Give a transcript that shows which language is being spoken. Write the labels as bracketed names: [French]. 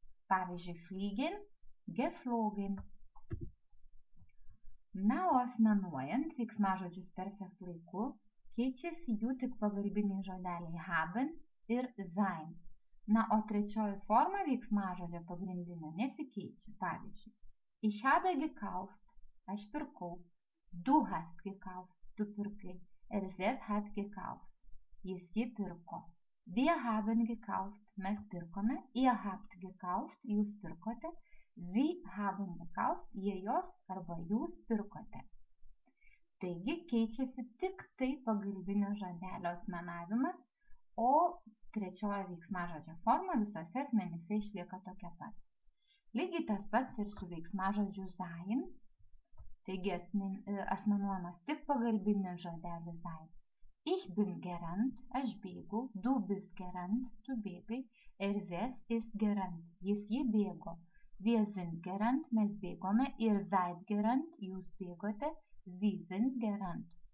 [Lithuanian] Pavyzdžiui, [German] fliegen, geflogen. [Lithuanian] Na, o asmenuojant veiksmažodžius perfekt laiku, keičiasi jų tik pagalbiniai žodeliai haben ir sein. Na, o trečioji forma veiksmažodžio pagrindinė nesikeičia. Pavyzdžiui, [German] ich habe gekauft, [Lithuanian] aš pirkau, [German] du hast gekauft, [Lithuanian] tu pirkai, [German] er sie hat gekauft, [Lithuanian] jis jį pirko. [German] Wir haben gekauft, [Lithuanian] mes pirkome, [German] ihr habt gekauft, [Lithuanian] jūs pirkote. [German] Vy haben gekauft, [Lithuanian] jie jos arba jūs pirkote. Taigi keičiasi tik tai pagalbinio žodelio asmenavimas, o trečioji veiksmažodžio forma visose asmenyse išlieka tokia pat. Lygiai tas pats ir su veiksmažodžiu sein, taigi asmenuojamas tik pagalbinio žodelio sein. [German] Ich bin gerannt, [Lithuanian] aš bėgu, [German] du bist gerannt, [Lithuanian] tu bėgai, [German] er sies ist gerannt, [Lithuanian] jis jį bėgo. [German] Wir sind gerannt, [Lithuanian] mes bėgome, [German] ir seid gerannt, [Lithuanian] jūs bėgote, [German] sie sind gerannt.